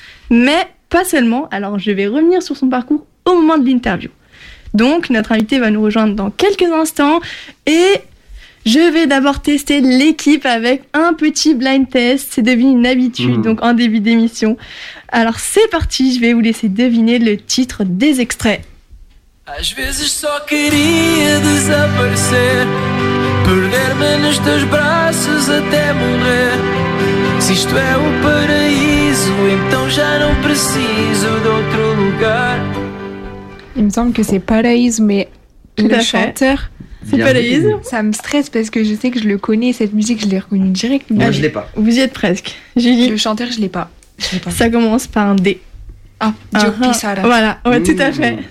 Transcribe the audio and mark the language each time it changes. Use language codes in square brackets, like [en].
[fr] Mais pas seulement, alors je vais revenir sur son parcours au moment de l'interview. Donc, notre invité va nous rejoindre dans quelques instants, et je vais d'abord tester l'équipe avec un petit blind test, c'est devenu une habitude, donc en début d'émission. Alors c'est parti, je vais vous laisser deviner le titre des extraits. [pt] Às vezes só queria desaparecer, perder-me nos teus braços até morrer. Se isto é o paraíso, então já não preciso de outro lugar. [fr] Il me semble que c'est Paraíso, mais le chanteur... C'est Paraíso. Ça me stresse parce que je sais que je le connais, cette musique, je l'ai reconnue direct. Moi, je l'ai pas. Vous y êtes presque. Julie. Le chanteur, je l'ai pas. Ça commence par un D. Diogo Pissarra. Voilà, ouais, tout à fait.